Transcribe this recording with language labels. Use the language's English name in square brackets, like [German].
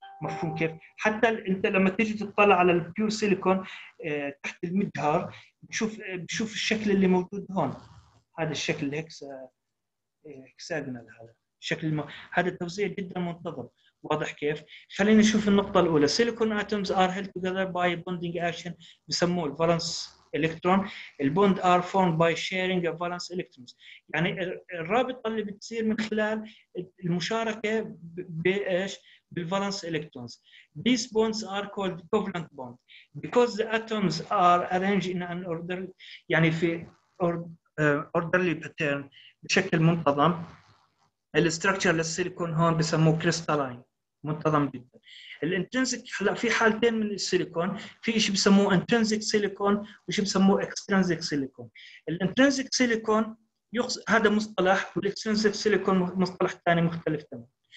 [Arabic] مفهوم كيف؟ حتى انت لما تيجي تطلع على البيور سيليكون تحت المجهر بشوف الشكل اللي موجود هون، هذا الشكل الهكساجونال، هذا شكل هذا التوزيع جدا منتظم، واضح كيف؟ خلينا نشوف النقطه الاولى. [English] Silicon atoms are held together by bonding action بسموه الفالنس electron. البوند are form by sharing of valence electrons, [Arabic] يعني الرابطه اللي بتصير من خلال المشاركه بايش؟ بالفالنس الكترونز. [English] These bonds are called covalent bond because the atoms are arranged in an order، يعني في orderly pattern [Arabic] بشكل منتظم. الستركتشر للسيليكون هون بسموه كريستالاين، منتظم جدا. الانترنسك، هلا في حالتين من السيليكون، في شيء بسموه انترنسك سيليكون وشيء بسموه اكسترنسك سيليكون. الانترنسك سيليكون هذا مصطلح، والاكسترنسك سيليكون مصطلح ثاني مختلف تماما.